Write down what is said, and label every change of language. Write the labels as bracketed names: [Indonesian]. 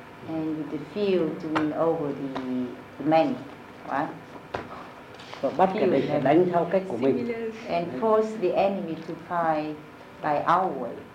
[English] And the few to win over the many. Right? [Vietnamese] Và bắt cái địch phải đánh theo cách của mình. [English] And force the enemy to fight by our way.